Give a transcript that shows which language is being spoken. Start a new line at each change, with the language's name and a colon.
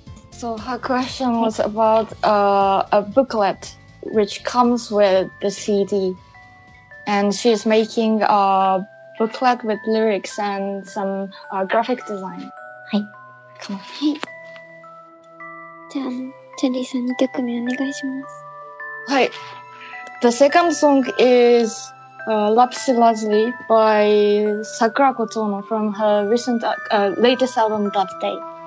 English: So her question was about a booklet which comes with the CD. And she is making a booklet with lyrics and some graphic design.
Japanese: はい。
English: Come on.
Japanese: はい。じゃあ、チャリーさん2曲目お願いします。はい。
English: The second song is Lapsi Lazuli by Sakurako Tono from her recent, latest album, That Day.